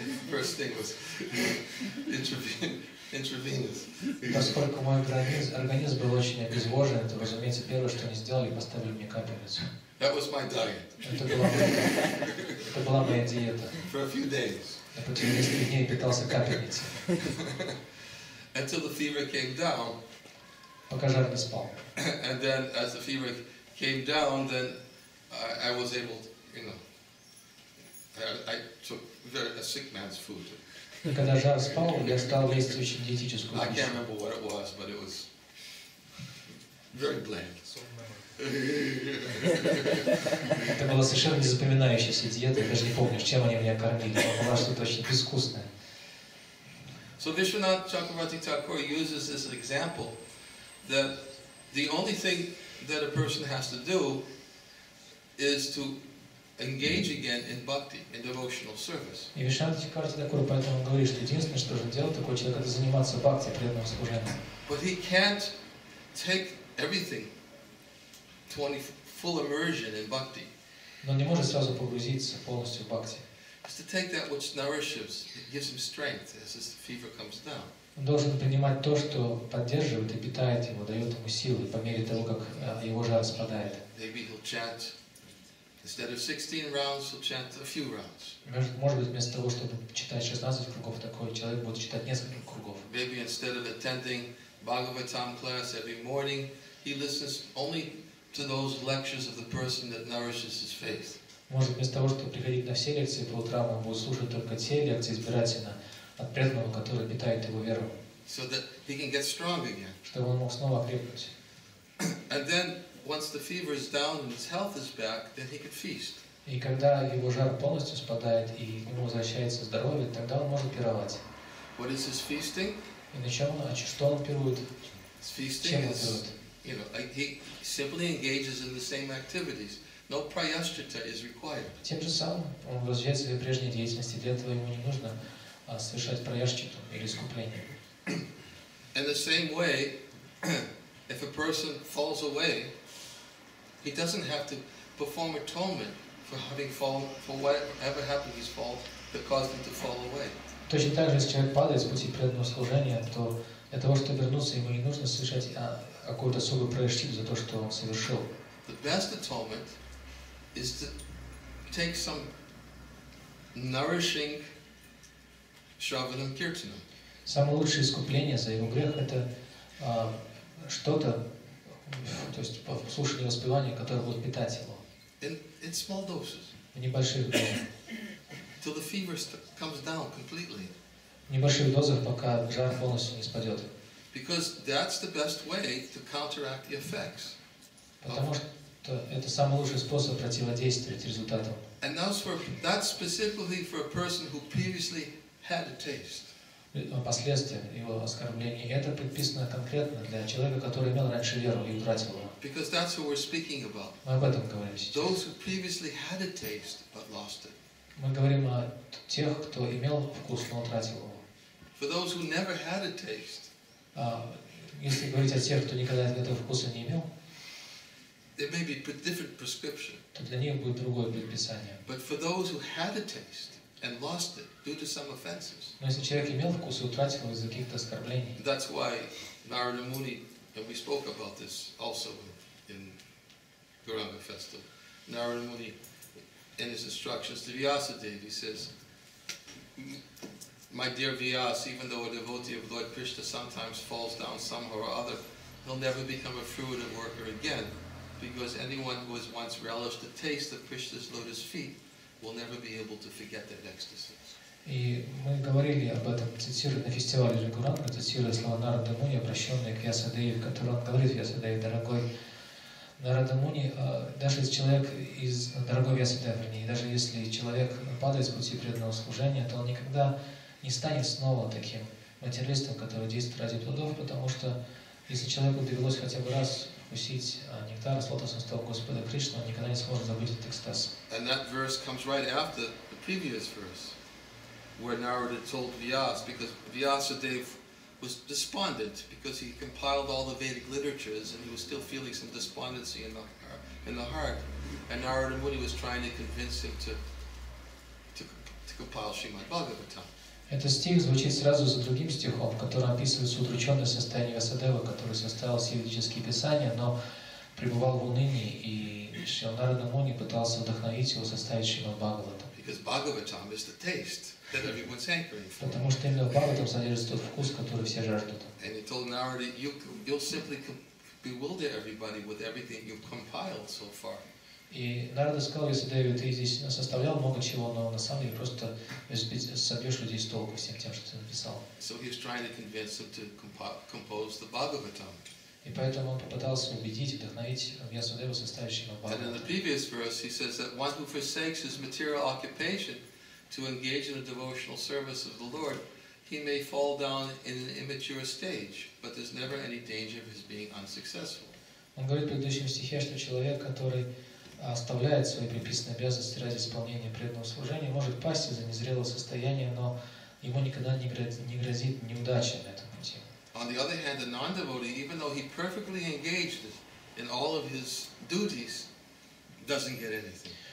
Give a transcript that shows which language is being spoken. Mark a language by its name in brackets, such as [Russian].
[English] First thing was intravenous. [Russian] Поскольку мой организм был очень обезвожен, то, разумеется, первое, что они сделали, поставили мне капельницу. [English] That was my diet. [Russian] Это была моя диета. [English] For a few days. [Russian] Я потом несколько дней питался капельницей. [English] Until the fever came down. [Russian] Пока жар не спал. [English] And then, as the fever came down, then I was able, to, you know, I took a sick man's food. [Russian] Когда жар спал, я стал есть очень диетическую пищу. [English] I can't remember what it was, but it was very bland. [Russian] Это была совершенно незапоминающаяся диета, я даже не помню, чем они меня кормили, но была что-то очень безвкусное. [English] So Vishwanath Chakravarti Thakur uses this example that the only thing that a person has to do is to engage again in bhakti, in devotional service. [Russian] И Вишванатха Чакраварти Такур поэтому говорит, что единственное, что нужно делать такой человек, это заниматься бхакти, преданным служением. [English] But he can't take everything. 20 full immersion in bhakti. [Russian] Но не может сразу погрузиться полностью в бхакти. [English] Just to take that which nourishes, it gives him strength as his fever comes down. [Russian] Он должен принимать то, что поддерживает и питает его, дает ему силы по мере того, как его жар спадает. [English] Maybe he'll chant instead of 16 rounds, he'll chant a few rounds. [Russian] Может быть, вместо того, чтобы читать 16 кругов, такой человек будет читать несколько кругов. [English] Maybe instead of attending Bhagavatam class every morning, he listens only to those lectures of the person that nourishes his faith. [Russian] Может, вместо того, чтобы приходить на все лекции по утрам, он будет слушать только те лекции избирательно от преданного, который питает его веру. [English] So that he can get strong again. [Russian] Чтобы он мог снова окрепнуть. [English] And then once the fever is down and his health is back, then he could feast. [Russian] И когда его жар полностью спадает и к нему возвращается здоровье, тогда он может пировать. [English] What is his feasting? [Russian] И на чем, что он пирует? [English] His feasting is, you know, he simply engages in the same activities. No priyashchitta is required. [Russian] Тем же самым он возвращает свои прежние деятельности. Для этого ему не нужно совершать приящчиту или искупление. [English] In the same way, if a person falls away, he doesn't have to perform atonement for having fallen, for whatever happened his fall that caused him to fall away. [Russian] Точно так же, если человек падает с пути преданного служения, то для того, чтобы вернуться, ему не нужно совершать какую-то особую приящчиту за то, что он совершил. [English] The best atonement is to take some nourishing shravanam kirtanam. [Russian] Самое лучшее искупление за его грех – это что-то, то есть слушание воспевания, которое будет питать его. [English] In small doses. [Russian] В небольших дозах. [English] Till the fever comes down completely. [Russian] В небольших дозах, пока жар полностью не спадет. [English] Because that's the best way to counteract the effects. [Russian] Потому что это самый лучший способ противодействовать результатам. [English] And that's specifically for a person who previously had a taste. [Russian] Последствия его оскорбления. Это предписано конкретно для человека, который имел раньше веру и утратил его. [English] Because that's what we're speaking about. [Russian] Мы об этом говорим сейчас. [English] Those who previously had a taste but lost it. [Russian] Мы говорим о тех, кто имел вкус, но утратил его. [English] For those who never had a taste. [Russian] Если говорить о тех, кто никогда этого вкуса не имел, [English] there may be a different prescription. [Russian] То для них будет другое предписание. [English] But for those who had a taste. And lost it due to some offenses. [Russian] Но если человек имел вкус и утратил из-за каких-то оскорблений. [English] That's why Narada Muni, and we spoke about this also in Gauranga festival. Narada Muni, in his instructions to Vyasadeva, he says, "My dear Vyas, even though a devotee of Lord Krishna sometimes falls down somehow or other, he'll never become a fruit and worker again, because anyone who has once relished the taste of Krishna's lotus feet." Will never be able to forget that ecstasy. [Russian] И мы говорили об этом, цитируя на фестивале Ригуранга, цитируя слова Нарада Муни, обращенные к Вьясадеве, который он говорит: Вьясадеве, дорогой Нарада Муни, даже если человек из дорогой Вьясадеве, и даже если человек падает с пути преданного служения, то он никогда не станет снова таким материалистом, который действует ради плодов, потому что если человеку довелось хотя бы раз вкусить нектар с лотосных стоп Господа Кришны, он никогда не сможет забыть этот экстаз. [English] And that verse comes right after the previous verse, where Narada told Vyas, because Vyasadeva was despondent, because he compiled all the Vedic literatures, and he was still feeling some despondency in the heart. And Narada Muni was trying to convince him to compile Srimad Bhagavatam. [Russian] Этот стих звучит сразу за другим стихом, который описывает удрученное состояние Вьясадевы, который составил все ведические писания, но пребывал в унынии, и Шрила Нарада Муни пытался вдохновить его составить Шримад Бхагаватам. Потому что именно в Бхагаватам содержится тот вкус, который все жаждут. [English] And he told Narada, you'll simply bewilder everybody with everything you've compiled so far. [Russian] И Нарада сказал Вьясадеве, ты здесь составлял много чего, но на самом деле просто собьешь людей с толку всем тем, что ты написал. [English] So he was trying to convince him to compose the Bhagavatam. [Russian] И поэтому он попытался убедить, вдохновить Вьясадеву составить Шримад Бхагаватам. [English] And in the previous verse he says that one who forsakes his material occupation to engage in a devotional service of the Lord, he may fall down in an immature stage, but there's never any danger of his being unsuccessful. [Russian] Он говорит в предыдущем стихе, что человек, который оставляет свои приписанные обязанности ради исполнения преданного служения, может пасть из-за незрелого состояния, но ему никогда не грозит неудача на этом пути. [English] On the other hand, a non-devotee, even though he perfectly engaged in all of his duties, doesn't get anything.